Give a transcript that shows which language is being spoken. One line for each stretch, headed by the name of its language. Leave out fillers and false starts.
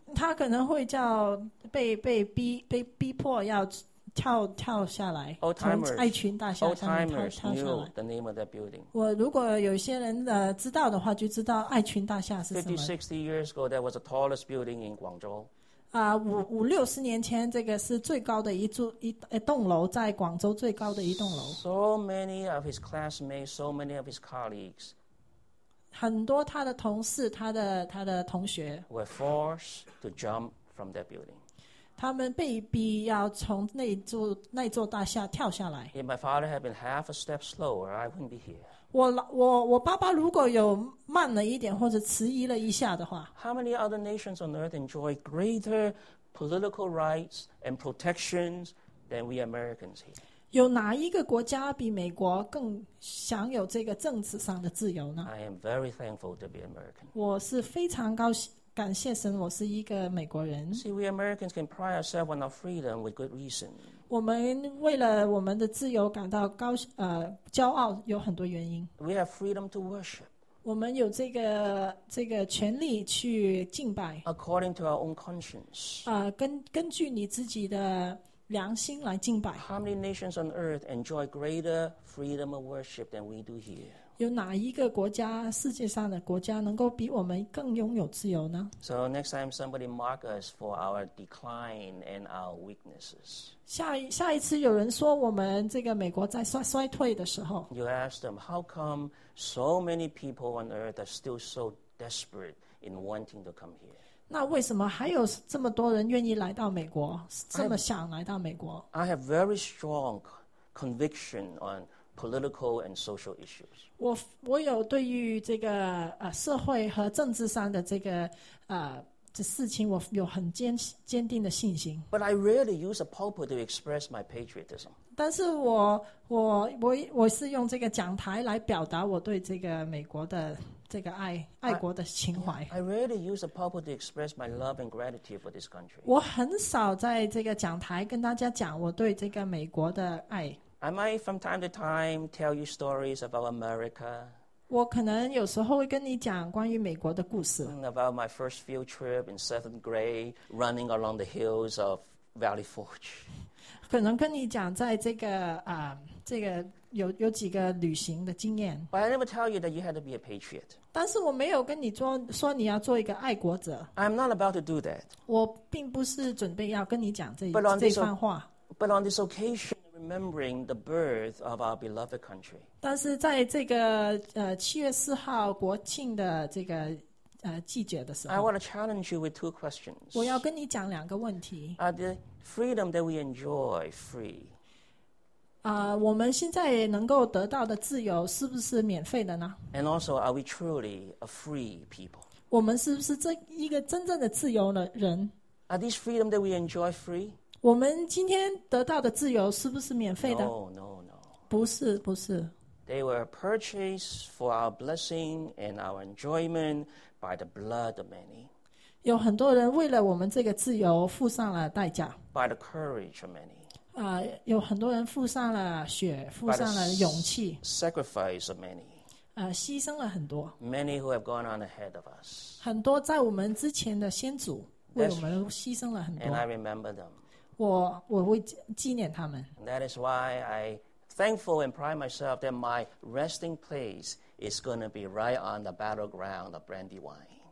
Chinese: 他可能会叫被逼迫要跳下来。
English: Old-timers,
Chinese: 爱群大厦。
English: Old-timers knew the name of that building.
Chinese: 我如果有些人知道的话，就知道爱群大厦是什么。
English: 50-60 years ago, that was the tallest building in Guangzhou.
Chinese: 50-60年前，这个是最高的一栋楼，在广州最高的一栋楼。
English: So many of his classmates, so many of his colleagues.
Chinese: 很多他的同事他的同学
English: were forced to jump from that building.
Chinese: 他们被逼要从那座大厦跳下来。
English: If my father had been half a step slower, I wouldn't be here.
Chinese: 我爸爸如果有慢了一点或者迟疑了一下的话。
English: How many other nations on earth enjoy greater political rights and protections than we Americans here?
Chinese: 有哪一个国家比美国更享有这个政治上的自由呢？
English: I am very thankful to be American.
Chinese: 我是非常感谢神，我是一个美国人。
English: See, we Americans can pride ourselves on our freedom with good reason.
Chinese: 我们为了我们的自由感到骄傲，有很多原因。
English: We have freedom to worship.
Chinese: 我们有这个权利去敬拜。
English: According to our own conscience.
Chinese: 根据你自己的良心来敬拜。
English: How many nations on earth enjoy greater freedom of worship than we do here?
Chinese: 有哪一个国家世界上的国家能够比我们更拥有自由呢？
English: So next time somebody mark us for our decline and our weaknesses.
Chinese: 下一次有人说我们这个美国在衰退的时候，
English: You ask them how come so many people on earth are still so desperate in wanting to come here.
Chinese: 那为什么还有这么多人愿意来到美国，这么想来到美国？
English: I have very strong conviction on political and social issues.
Chinese: 我有对于这个社会和政治上的这个这事情，我有很坚定的信心。
English: But I rarely use a pulpit to express my patriotism.
Chinese: 但是我是用这个讲台来表达我对这个美国的这个爱国的情怀。
English: I rarely use a pulpit to express my love and gratitude for this country.
Chinese: 我很少在这个讲台跟大家讲我对这个美国的爱。
English: I might from time to time tell you stories about America.
Chinese: 我可能有时候会跟你讲关于美国的故事。
English: About my first field trip in seventh grade, running along the hills of Valley Forge.
Chinese: 可能跟你讲在这个有几个旅行的经验。
English: But I never tell you that you had to be a patriot.
Chinese: 但是我没有跟你说你要做一个爱国者。
English: I'm not about to do that.
Chinese: 我并不是准备要跟你讲这番话。
English: But on this occasion. Remembering the birth of our beloved country.
Chinese: 但是在这个七月四号国庆的这个季节的时候，
English: I want to challenge you with two questions.
Chinese: 我要跟你讲两个问题。
English: Are the freedom that we enjoy free?
Chinese: 我们现在能够得到的自由是不是免费的呢？
English: And also, are we truly a free people?
Chinese: 我们是不是这一个真正的自由的人？
English: Are these freedom that we enjoy free?
Chinese: 我们今天得到的自由是不是免费的？
English: No, no, no.
Chinese: 不是。
English: They were purchased for our blessing and our enjoyment by the blood of many.
Chinese: 有很多人为了我们这个自由付上了代价。
English: By the courage of many.
Chinese: 有很多人付上了血，付上了勇气。
English: By the sacrifice of many.
Chinese: 牺牲了很多。
English: Many who have gone on ahead of us.
Chinese: 很多在我们之前的先祖为我们牺牲了很多。
English: And I remember them.
Chinese: 我会纪念他们。
English: That is why I thankful and pride myself that my resting place is going to be right on the battleground of Brandywine.